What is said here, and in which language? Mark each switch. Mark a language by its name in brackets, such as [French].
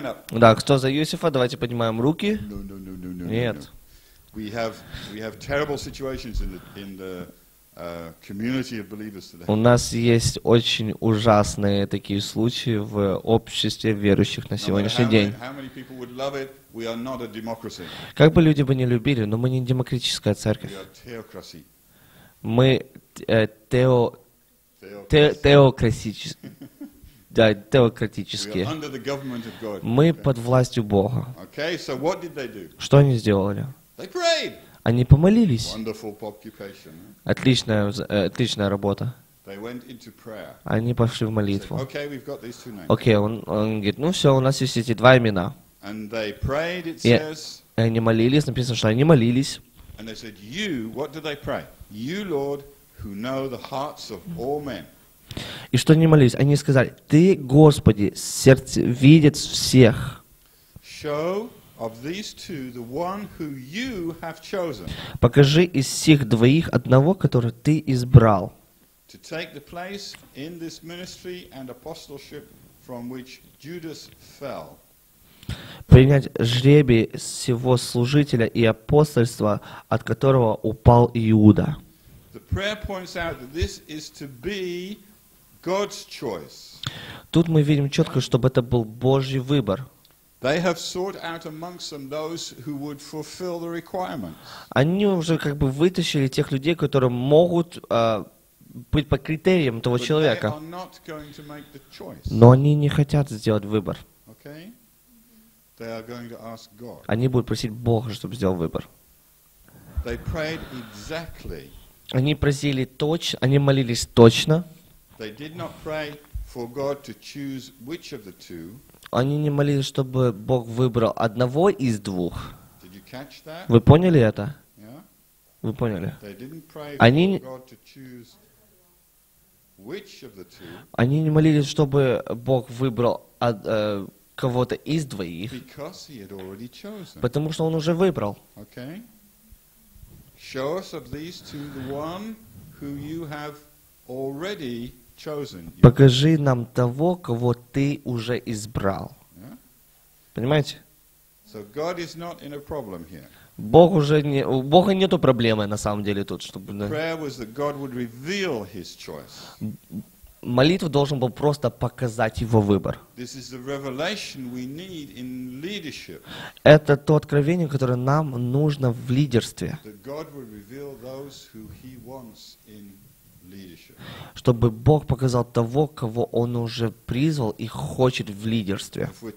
[Russian] Да, кто за Иосифа, давайте поднимаем руки. Нет. [English] We have terrible situations in the community of believers today. [Russian] У нас есть очень ужасные такие случаи в обществе верующих на сегодняшний день. [English] How many people would love it? We are not a democracy. [Russian] Как бы люди бы не любили, но мы не демократическая церковь. [English] We are theocracy. [Russian] Мы теократические. [English] We are under the government of God. [Russian] Мы под властью Бога. [English] Okay, so what did they do? [Russian] Что они сделали? [English] They prayed. [Russian] Они помолились. [English] Wonderful occupation. [Russian] Отличная работа. [English] They went into prayer. [Russian] Они пошли в молитву. [English] Okay, we've got these two names. [Russian] Okay, он говорит, ну все, у нас есть эти два имена. [English] And they prayed, it says. [Russian] И они молились, написано, что они молились. [English] And they said, you, what do they pray? You, Lord, who know the hearts of all men. [Russian] И что они молились? Они сказали, ты, Господи, сердце видит всех. [English] Show of these two, the one who you have chosen. [Russian] Покажи из всех двоих одного, которого ты избрал. [English] To take the place in this ministry and apostleship from which Judas fell. [Russian] Принять жребий всего служителя и апостольства, от которого упал Иуда. [English] The prayer points out that this is to be God's choice. [Russian] Тут мы видим четко, чтобы это был Божий выбор. [English] They have sought out amongst them those who would fulfill the requirements. [Russian] Они уже как бы вытащили тех людей, которые могут быть по критериям того человека. [English] But they are not going to make the choice. [Russian] Но они не хотят сделать выбор. [English] Okay? They are going to ask God. [Russian] Они будут просить Бога, чтобы сделал выбор. [English] They prayed exactly. [Russian] Они просили точно, они молились точно. [English] They did not pray for God to choose which of the two. [Russian] Они не молились, чтобы Бог выбрал одного из двух. [English] Did you catch that? [Russian] Вы поняли это? [English] Yeah. [Russian] Вы поняли? [English] They didn't pray for [Russian] они... [English] God to choose which of the two. [Russian] Они не молились, чтобы Бог выбрал кого-то из двоих. [English] Because he had already chosen. [Russian] Потому что он уже выбрал. [English] Okay. Show us of these two the one who you have already. [Russian] Покажи нам того, кого ты уже избрал. Понимаете? [English] So God is not in a problem here. [Russian] Бог уже не, у Бога нету проблемы на самом деле тут, чтобы. [English] Prayer was that God would reveal his choice. [Russian] Молитва должен был просто показать его выбор. [English] This is the revelation we need in leadership. [Russian] Это то откровение, которое нам нужно в лидерстве. [English] That God would reveal those who he wants in. [Russian] Чтобы Бог показал того, кого Он уже призвал и хочет в лидерстве.